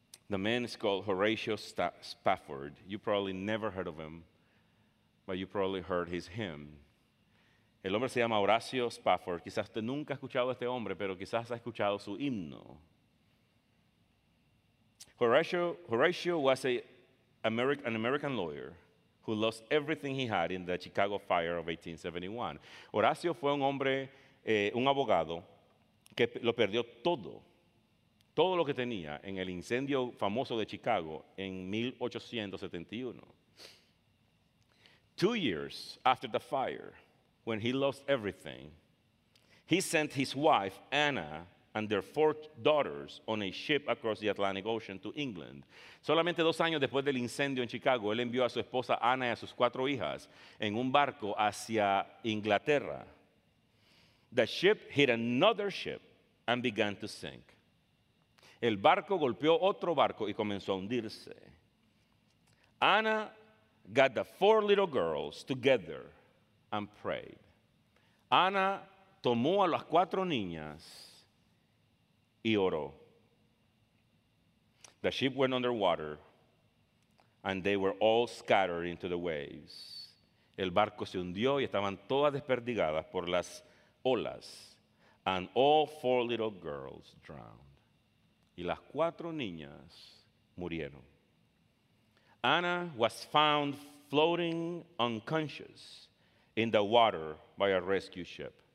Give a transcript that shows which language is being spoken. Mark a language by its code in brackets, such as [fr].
[en] The man is called Horatio Spafford. You probably never heard of him, but you probably heard his hymn. [es] El hombre se llama Horacio Spafford. Quizás usted nunca ha escuchado a este hombre, pero quizás ha escuchado su himno. [en] Horacio was an American lawyer who lost everything he had in the Chicago Fire of 1871. [es] Horacio fue un hombre, un abogado, que lo perdió todo, todo lo que tenía en el incendio famoso de Chicago en 1871. [en] 2 years after the fire, when he lost everything, he sent his wife, Anna, and their 4 daughters on a ship across the Atlantic Ocean to England. [es] Solamente 2 años después del incendio en Chicago, él envió a su esposa Ana y a sus 4 hijas en un barco hacia Inglaterra. [en] The ship hit another ship and began to sink. [es] El barco golpeó otro barco y comenzó a hundirse. [en] Anna got the 4 little girls together and prayed. [es] Ana tomó a las 4 niñas y oró. [en] The ship went underwater and they were all scattered into the waves. [es] El barco se hundió y estaban todas desperdigadas por las olas. [en] And all 4 little girls drowned. [es] Y las 4 niñas murieron. [en] Anna was found floating unconscious in the water by a rescue ship.